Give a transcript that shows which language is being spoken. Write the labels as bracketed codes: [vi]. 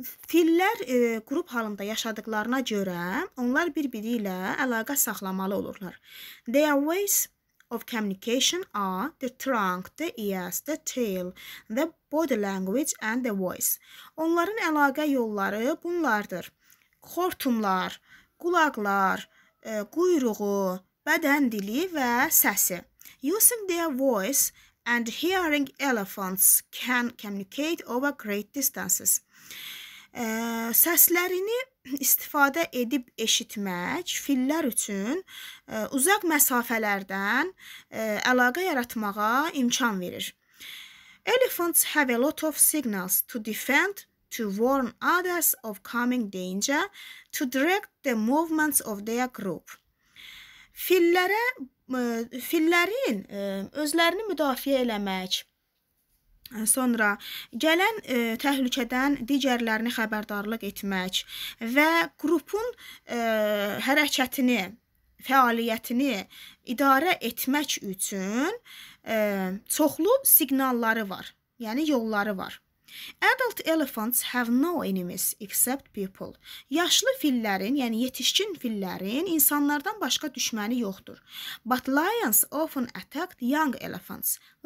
[az] Fillər qrup halında yaşadıqlarına görə onlar bir-biri ilə əlaqə saxlamalı olurlar. [en] Their ways of communication are the trunk, the ears, the tail, the body language and the voice. [az] Onların əlaqə yolları bunlardır. Xortumlar, qulaqlar, quyruğu, bədən dili və səsi. [en] Using their voice and hearing elephants can communicate over great distances. [az] Səslərini istifadə edib eşitmək fillər üçün uzaq məsafələrdən əlaqə yaratmağa imkan verir. [en] Elephants have a lot of signals to defend, to warn others of coming danger, to direct the movements of their group. [az] Fillərin özlərini müdafiə eləmək, sonra gələn təhlükədən digərlərini xəbərdarlıq etmək və qrupun hərəkətini, fəaliyyətini idarə etmək üçün çoxlu siqnalları var, yəni yolları var. [en] Adult elephants have no enemies except people. [az] Yaşlı fillərin, yəni yetişkin fillərin insanlardan başqa düşməni yoxdur. [en] But lions often attack young elephants.